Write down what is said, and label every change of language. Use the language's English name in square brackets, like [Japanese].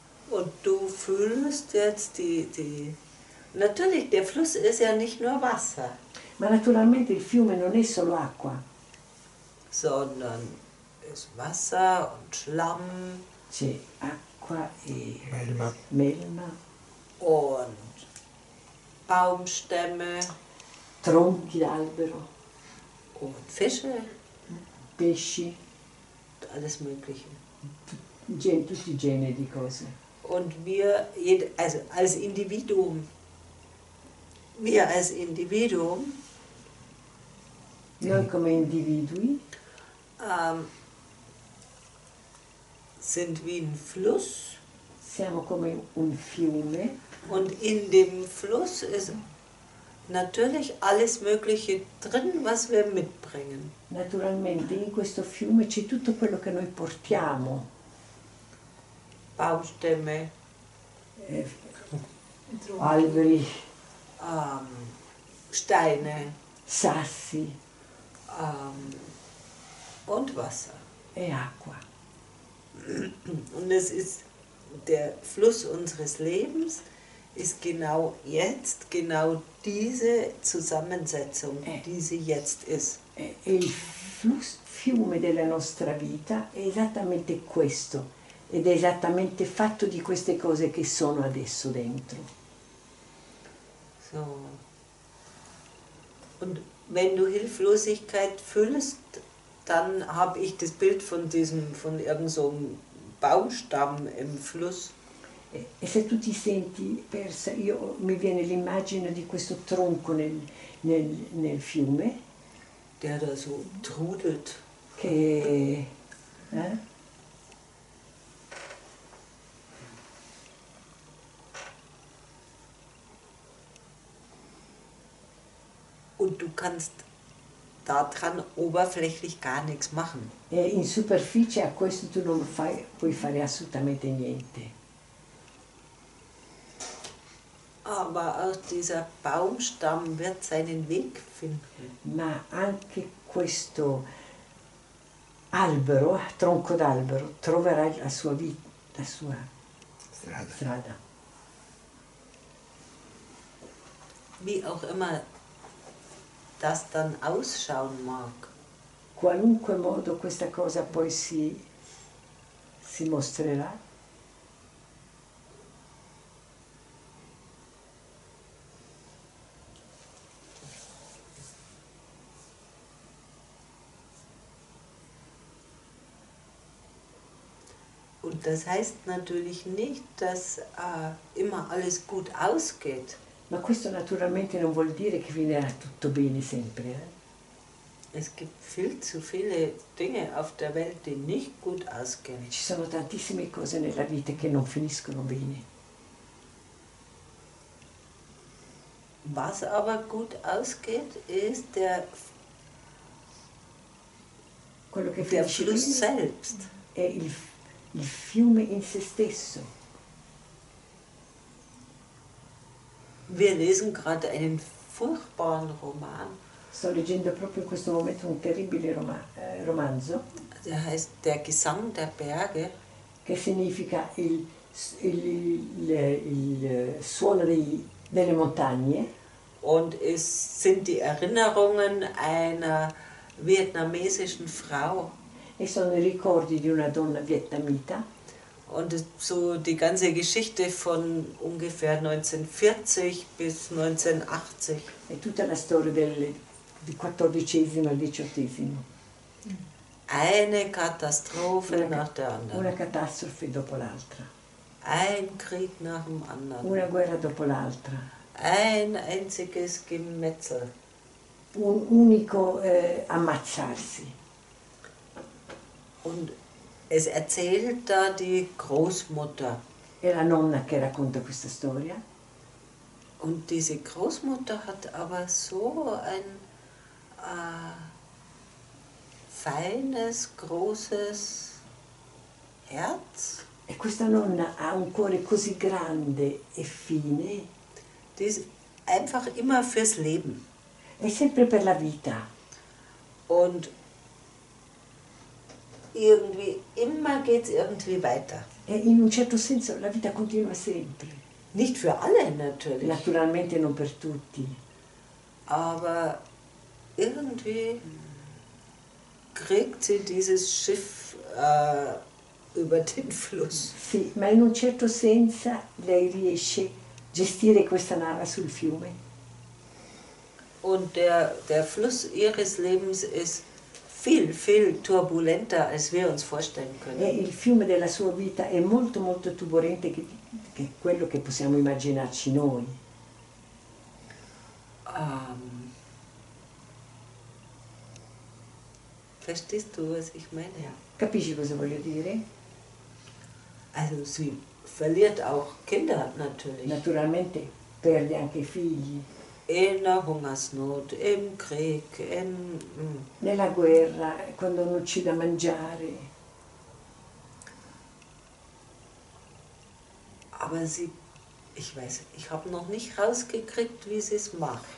[German] Und du fühlst jetzt die Natürlich, der Fluss ist ja nicht nur Wasser. [Italian] Ma naturalmente il fiume non è solo acqua. [German] Sondern es Wasser und Schlamm. [Italian] C'è acqua e melma. [German] Und Baumstämme. [Italian] Tronchi d'albero. [German] Und Fische. [Italian] Pesci. [German] Alles Mögliche. [Italian] Tutti i generi di cose. [German] Und wir, also als Individuum. Wir als Individuum [Italian] Noi come individui [German] sind wie ein Fluss. [Italian] Siamo come un fiume. [German] Und in dem Fluss ist natürlich alles Mögliche drin, was wir mitbringen. [Italian] Naturalmente in questo fiume c'è tutto quello che noi portiamo. [German] Baumstämme, [Italian] alberi, [German] Steine, [Italian] sassi, [German] und Wasser. [Italian] E acqua. [German] Und es ist der Fluss unseres Lebens, ist genau jetzt, genau diese Zusammensetzung, die sie jetzt ist. [Italian] E il fiume della nostra vita è esattamente questo. Ed è esattamente fatto di queste cose che sono adesso dentro. [German] So. Und wenn du Hilflosigkeit fühlst, dann habe ich das Bild von irgend so einem Baumstamm im Fluss. [Italian] E se tu ti senti persa, io mi viene l'immagine di questo tronco nel fiume. [German] Der da so trudelt. [Italian] Che. [German] Und du kannst daran oberflächlich gar nichts machen. [Italian] In superficie a questo tu non puoi fare assolutamente niente. [German] Aber auch dieser Baumstamm wird seinen Weg finden. [Italian] Ma anche questo albero, tronco d'albero, troverà la sua strada. [German] Wie auch immer das dann ausschauen mag. [Italian] Qualunque modo questa cosa poi si mostrerà. [German] Und das heißt natürlich nicht, dass immer alles gut ausgeht. [Italian] Ma questo naturalmente non vuol dire che finirà tutto bene sempre. [German] Es gibt viel zu viele Dinge auf der Welt, die nicht gut ausgehen. [Italian] Ci sono tantissime cose nella vita che non finiscono bene. [German] Was aber gut ausgeht, ist der [Italian] quello che [German] der Fluss selbst. [Italian] È il fiume in se stesso. [German] Wir lesen gerade einen furchtbaren Roman. [Italian] Sto leggendo proprio in questo momento un terribile romanzo. [German] Der heißt Der Gesang der Berge. [Italian] Che significa il suono delle montagne. [German] Und es sind die Erinnerungen einer vietnamesischen Frau. [Italian] E sono i ricordi di una donna vietnamita. [German] Und so die ganze Geschichte von ungefähr 1940 bis 1980. [Italian] E tutta la storia del 14. al 18. [German] Eine Katastrophe nach der anderen. [Italian] Una catastrofe dopo l'altra. [German] Ein Krieg nach dem anderen. [Italian] Una guerra dopo l'altra. [German] Ein einziges Gemetzel. [Italian] Un unico ammazzarsi. [German] Und es erzählt da die Großmutter. [Italian] È la nonna che racconta questa storia. [German] Und diese Großmutter hat aber so ein feines, großes Herz. [Italian] E questa nonna ha un cuore così grande e fine. [German] Die ist einfach immer fürs Leben. [Italian] È sempre per la vita. [German] Und irgendwie immer geht's irgendwie weiter. [Italian] In un certo senso la vita continua sempre. [German] Nicht für alle natürlich. [Italian] Naturalmente non per tutti. [German] Aber irgendwie kriegt sie dieses Schiff über den Fluss. [Italian] Sì, ma in un certo senso lei riesce a gestire questa nave sul fiume. [German] Und der Fluss ihres Lebens ist viel, viel turbulenter, als wir uns vorstellen können. [Italian] Il fiume della sua vita è molto, molto turbolente che quello che possiamo immaginarci noi. Um, [German] Verstehst du, was ich meine? Ja. [Italian] Capisci cosa voglio dire? [German] Also sie verliert auch Kinder natürlich. [Italian] Naturalmente perde anche figli. [German] In der Hungersnot, im Krieg, in... [Italian] Nella guerra, quando non c'è da mangiare. [German] Aber sie, ich weiß, ich habe noch nicht rausgekriegt, wie sie es macht.